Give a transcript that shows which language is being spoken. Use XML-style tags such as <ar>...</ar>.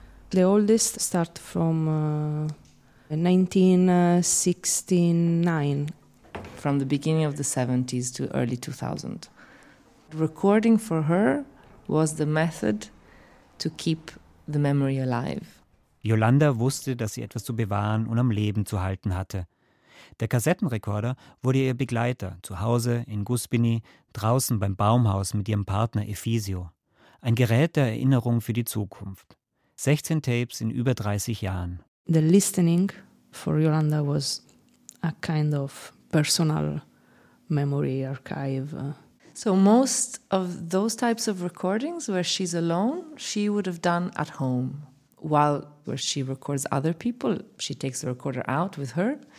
<en>The oldest start from 1969. From the beginning of the 70s to early 2000. Recording for her was the method to keep the memory alive.</en> <de>Yolanda wusste, dass sie etwas zu bewahren und am Leben zu halten hatte. Der Kassettenrekorder wurde ihr Begleiter, zu Hause, in Guspini, draußen beim Baumhaus mit ihrem Partner Efisio. Ein Gerät der Erinnerung für die Zukunft. 16 Tapes in über 30 Jahren.</de> <en>The listening for Yolanda was a kind of personal memory archive. So most of those types of recordings where she's alone, she would have done at home. While where she records other people, she takes the recorder out with her.</en>